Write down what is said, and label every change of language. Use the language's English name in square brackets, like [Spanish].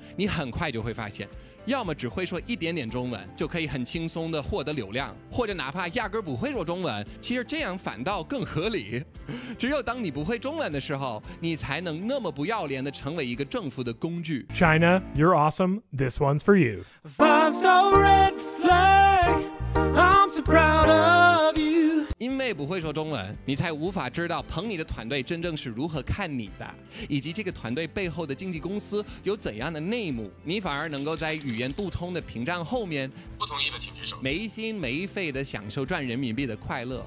[Chinese] 你很快就会发现，要么只会说一点点中文就可以很轻松地获得流量，或者哪怕压根不会说中文，其实这样反倒更合理。只有当你不会中文的时候，你才能那么不要脸地成为一个政府的工具。 [English] China, you're awesome. This one's for you. Five star red flag, I'm so proud of you. [Chinese] 因为不会说中文，你才无法知道捧你的团队真正是如何看你的，以及这个团队背后的经纪公司有怎样的内幕。你反而能够在语言不通的屏障后面，不同意的请举手，没心没肺的享受赚人民币的快乐。